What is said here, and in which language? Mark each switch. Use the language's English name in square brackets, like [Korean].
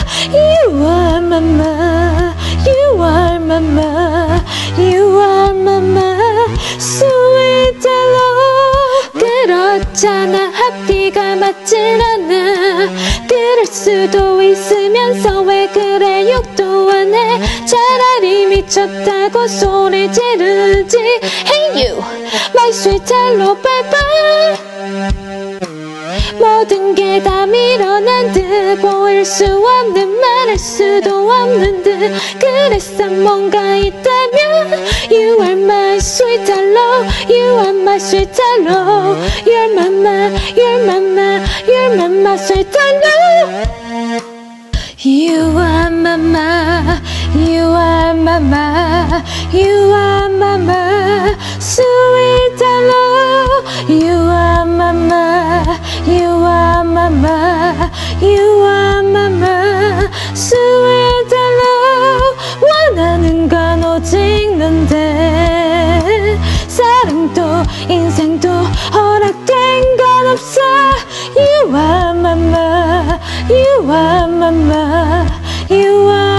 [English] You are my mind, you are my mind, you are my mind, sweet hello. [Korean] 그렇잖아, 합기가 맞진 않아. 그럴 수도 있으면서 왜 그래 욕도 안 해. 차라리 미쳤다고 소리 지르지. [English] Hey you, my sweet hello, bye bye. [Korean] 모든 게 다 밀어낸 듯 보일 수 없는 말할 수도 없는 듯. 그래서 뭔가 있다면 [English] You are my sweet hello, you are my sweet hello, you're my mind, you're my mind, you're my mind, sweet hello. You are my mind, you are my mind, you are my mind, sweet hello. You are my mind, you are my mind, you are my mind, sweet hello. [Korean] 원하는 건 오직 넌데. 사랑도 인생도 허락된 건 없어. [English] You are my mind, you are my mind, you are my mind.